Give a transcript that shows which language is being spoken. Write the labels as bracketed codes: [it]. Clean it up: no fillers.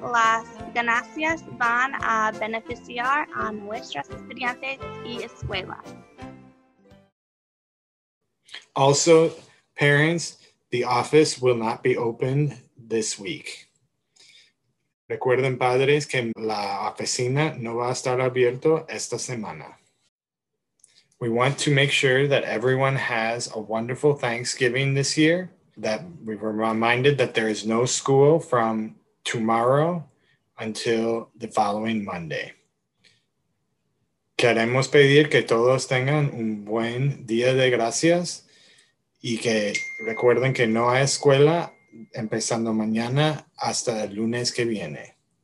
[es] Las ganancias van a beneficiar a nuestros estudiantes y escuelas. [en] Also, parents, the office will not be open this week. [es] Recuerden, padres, que la oficina no va a estar abierto esta semana. [en] We want to make sure that everyone has a wonderful Thanksgiving this year, that we were reminded that there is no school from tomorrow until the following Monday. [es] Queremos pedir que todos tengan un buen día de gracias. Y que recuerden que no hay escuela empezando mañana hasta el lunes que viene.